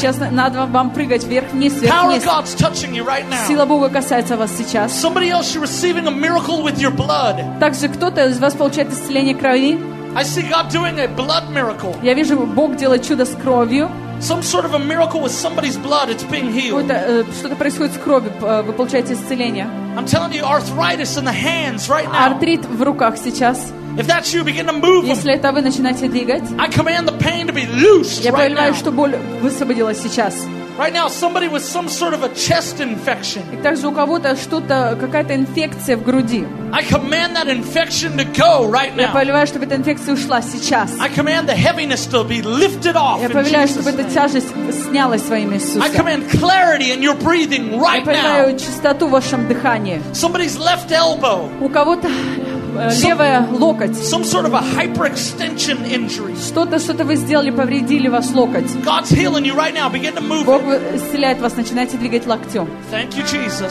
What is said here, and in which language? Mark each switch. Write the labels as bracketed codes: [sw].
[ru] Сейчас надо вам прыгать вверх-вниз, вверх-вниз. [en] Power of God's touching you right now. [ru] Сила Бога касается вас. [en] Somebody else is receiving a miracle with your blood. [ru] Также кто-то из вас получает исцеление крови. [en] I see God doing a blood miracle. [ru] Я вижу, Бог делает чудо с кровью. [en] Some sort of a miracle with somebody's blood. It's being healed. [ru] Что-то происходит с кровью. Вы получаете исцеление. [en] I'm telling you, arthritis in the hands right now. [ru] Артрит в руках сейчас. [en] If that's you, begin to move. [ru] Если это вы, начинайте двигать. [en] I command the pain to be loosed right now. [ru] Я повелеваю, что боль высвободилась сейчас. [en] Right now, somebody with some sort of a chest infection. [ru] И также у кого-то что-то, какая-то инфекция в груди. [en] I command that infection to go right now. [ru] Я повелеваю, чтобы эта инфекция ушла сейчас. [en] I command the heaviness to be lifted off. [ru] Я повелеваю, чтобы эта тяжесть снялась во имя Иисуса. [en] I command clarity in your breathing right now. [ru] Я повелеваю чистоту в вашем дыхании. [en] Somebody's left elbow. [ru] У кого-то левая локоть. [en] Some sort of a hyperextension injury. [ru] Что-то вы сделали, повредили вас локоть. [en] God's healing you right now. Begin to move. [ru] Бог исцеляет вас, начинайте двигать локтем. [en] Thank you, Jesus.